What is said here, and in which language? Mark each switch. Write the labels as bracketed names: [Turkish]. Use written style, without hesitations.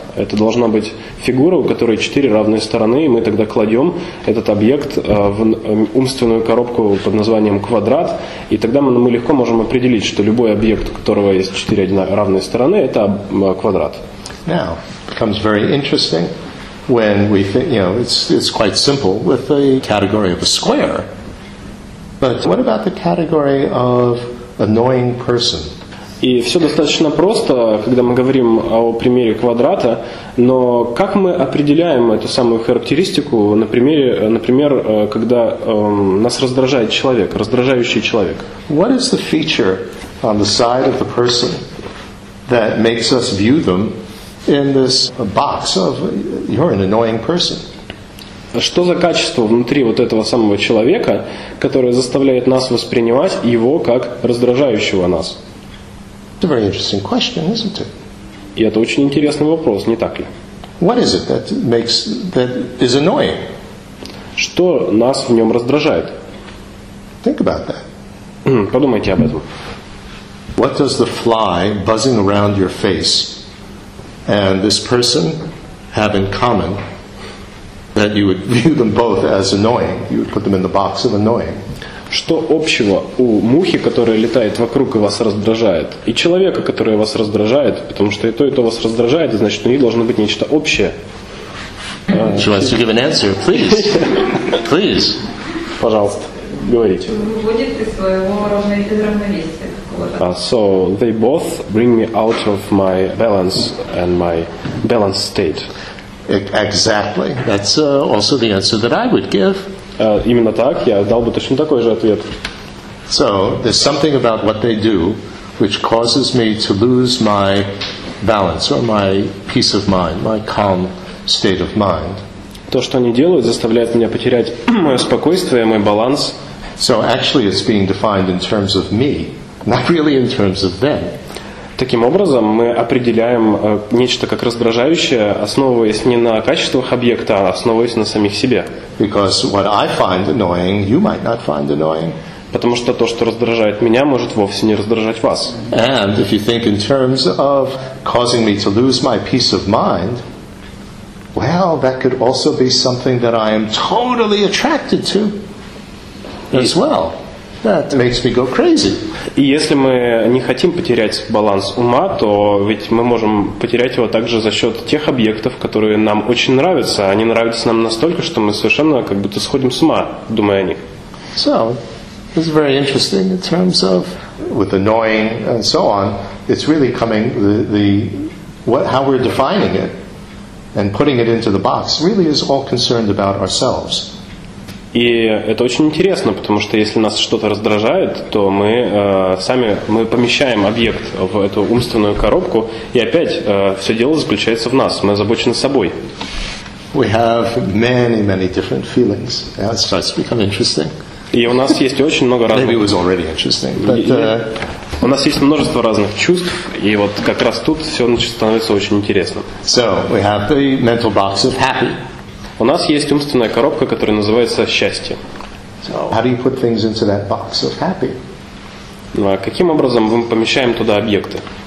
[Russian] Это должна быть фигура, у которой четыре равные стороны, и мы тогда кладем этот объект в умственную коробку под названием квадрат, и тогда мы легко можем определить, что любой объект, у которого есть четыре равные стороны, это квадрат. [English] Now, it becomes very interesting when we think, you know, it's quite simple with the category of a square. But what about the category of annoying person? [Russian] И все достаточно просто, когда мы говорим о примере квадрата, но как мы определяем эту самую характеристику на примере, например, когда нас раздражает человек, раздражающий человек? [English] What is the feature on the side of the person that makes us view them in this box of you're an annoying person? [Russian] Что за качество внутри вот этого самого человека, которое заставляет нас воспринимать его как раздражающего нас? [English] It's a very interesting question, isn't it? [Russian] И это очень интересный вопрос, не так ли? [English] What is it that makes that is annoying? [Russian] Что нас в нем раздражает? [English] Think about that. [Russian] Подумайте об этом. [English] What does the fly buzzing around your face and this person have in common? That you would view them both as annoying. You would put them in the box of annoying. [Russian] Что общего у мухи, которая летает вокруг и вас раздражает, и человека, который вас раздражает, потому что и то вас раздражает, значит, у них должно быть нечто общее. [English] She wants to give an answer. Please. Please. [Russian] Пожалуйста, говорите. Выводит из своего равновесия. [English] So they both bring me out of my balance and my balanced state. Exactly. That's also the answer that I would give. [Russian] Именно так, я дал бы точно такой же ответ. [English] So, there's something about what they do which causes me to lose my balance or my peace of mind, my calm state of mind. [Russian] То, что они делают, заставляет меня потерять мое спокойствие, мой баланс. [English] So, actually, it's being defined in terms of me, not really in terms of them. [Russian] Таким образом, мы определяем нечто как раздражающее, основываясь не на качествах объекта, а основываясь на самих себе. [English] Because what I find annoying, you might not find annoying. [Russian] Потому что то, что раздражает меня, может вовсе не раздражать вас. [English] And if you think in terms of causing me to lose my peace of mind, well, that could also be something that I am totally attracted to as well. That makes me go crazy. [Russian] И если мы не хотим потерять баланс ума, то ведь мы можем потерять его также за счет тех объектов, которые нам очень нравятся. Они нравятся нам настолько, что мы совершенно как будто сходим с ума, думая о них. [English] So, this is very interesting in terms of with annoying and so on. It's really coming how we're defining it and putting it into the box really is all concerned about ourselves. [Russian] И это очень интересно, потому что если нас что-то раздражает, то мы сами помещаем объект в эту умственную коробку, и опять все дело заключается в нас, мы озабочены собой. [English] We have many, many different feelings. Yeah, it starts to become interesting. [Russian] И у нас есть очень много разных. [English] Maybe it was already interesting, but, [Russian] у нас есть множество разных чувств, и вот как раз тут все становится очень интересным. [English] So we have the mental box of happy. [Russian] У нас есть умственная коробка, которая называется «Счастье». [English] How do you put things into that box of happy? [Russian] Каким образом мы помещаем туда объекты?